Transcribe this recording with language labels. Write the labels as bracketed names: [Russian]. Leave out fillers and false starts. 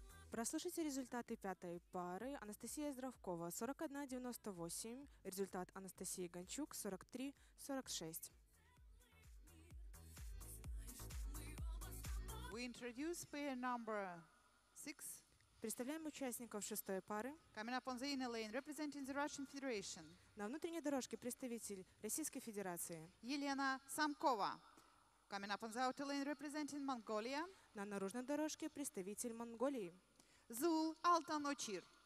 [Russian] Прослушайте результаты пятой пары. Анастасия Здравкова, 41-98. Результат Анастасии Гончук, 43-46. [English] We introduce pair number 6. [Russian] Представляем участников шестой пары. [English] Coming up on the inner lane, representing the Russian Federation. [Russian] На внутренней дорожке представитель Российской Федерации. [English] Елена Самкова. Coming up on the outer lane, representing Mongolia. [Russian] На наружной дорожке представитель Монголии. Зул Алтаночир.